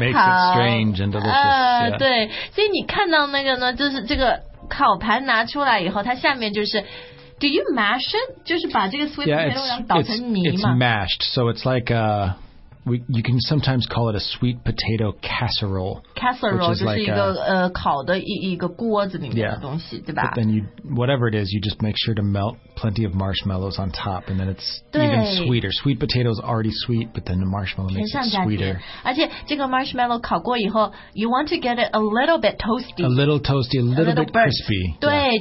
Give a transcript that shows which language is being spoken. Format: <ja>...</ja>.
<en>that makes it strange and delicious、</en> <zh>对所以你看到那个呢就是这个烤盘拿出来以后它下面就是 do you mash it 就是把这个 sweet potato 要倒成泥嘛</zh> <en>it's mashed so it's like aYou can sometimes call it a sweet potato casserole. Casserole is like</en> <zh>就是一个烤的一个锅子里面的东西，</zh> <en>yeah,</en> <zh>对吧</zh> <en>？But then you, whatever it is, you just make sure to melt plenty of marshmallows on top, and then it's even sweeter. Sweet potato is already sweet, but then the marshmallow makes it sweeter. 而且这个 marshmallow 烤过以后，you want to get it a little bit toasty. A little toasty, a little bit crispy.</en> <zh>对，</zh> <en>yeah.</en>